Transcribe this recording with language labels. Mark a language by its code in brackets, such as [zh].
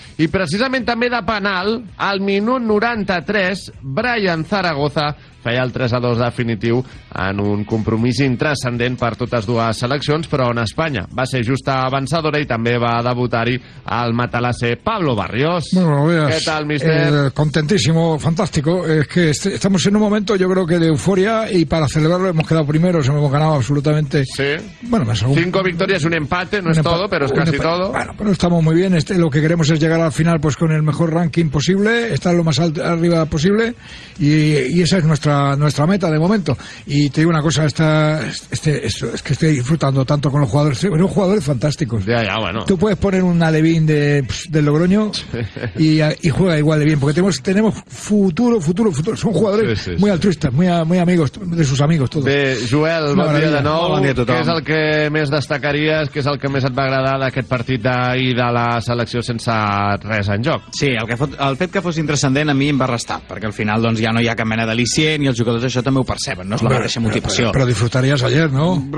[ca] I precisament també de penal, al minut 93, Brian Zaragoza feia el 3-2 definitiu en un compromís intranscendent per totes dues seleccions, però on Espanya va ser justa avançadora i també va debutar-hi el matalasser Pablo Barrios. [es] Bueno, ¿qué tal, mister? Contentísimo, fantástico. Es que estamos estamos en un momento, yo creo que de euforia, y para celebrarlo hemos quedado primeros, hemos ganado absolutamente. Sí. Bueno, más algún... 5 victorias, un empate, no un es empate, todo, pero es casi empate. Todo. Bueno, pero estamos muy bien. Lo que queremos es llegar al final, pues, con el mejor ranking posible, estar lo más arriba posible, y esa es nuestra meta de momento. Y te digo una cosa, es que estoy disfrutando tanto con los jugadores, bueno, jugadores fantásticos. Ya, bueno. Tú puedes poner un Alevín de Logroño y juega igual de bien, porque tenemos futuro. Son jugadores sí. Muy altruistas, muy amigos de sus amigos todos. [ca] Joel, bon dia de nou. Bon dia a tothom. Què és el que més destacaries, què és el que més et va agradar d'aquest partit d'ahir de la selecció sense res en joc? Sí, el fet que fos intranscendent a mi em va restar, perquè al final doncs ja no hi ha cap mena d'al·licient i els jugadors això també ho perceben, no és la mateixa motivació. Però disfrutaries ayer, no?